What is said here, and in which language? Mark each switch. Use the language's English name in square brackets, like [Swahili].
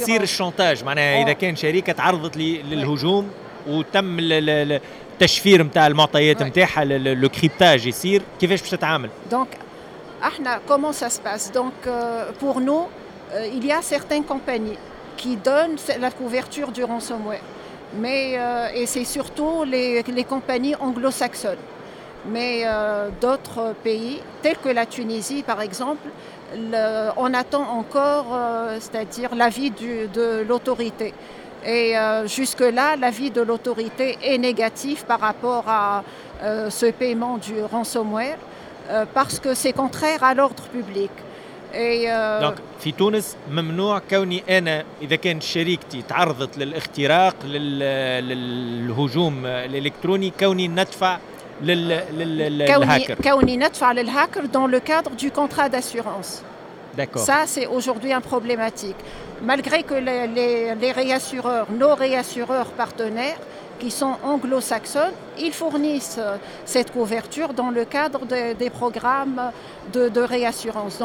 [Arabic] يصير الشونتاج معناها إذا كان شركة تعرضت للهجوم وتم التشفير نتاع المعطيات نتاعها لو كريبتاج يصير كيفاش باش تتعامل؟ [French] Donc, [Arabic] احنا, [French] comment ça se passe? Donc, pour nous, il y a certaines compagnies qui donne la couverture du ransomware. Mais, et c'est surtout les compagnies anglo-saxonnes. Mais d'autres pays, tels que la Tunisie par exemple, on attend encore c'est-à-dire l'avis de l'autorité. Et jusque-là, l'avis de l'autorité est négatif par rapport à ce paiement du ransomware parce que c'est contraire à l'ordre public. [Arabic] دونك في تونس ممنوع كوني انا اذا كان شريكتي تعرضت للاختراق للهجوم الالكتروني كوني ندفع للهاكر كوني ندفع للهاكر [French] dans le cadre du contrat d'assurance. D'accord. Ça c'est aujourd'hui un problématique. Malgré que les réassureurs, nos réassureurs partenaires qui sont anglo-saxons, ils fournissent cette couverture dans le cadre des programmes de réassurance.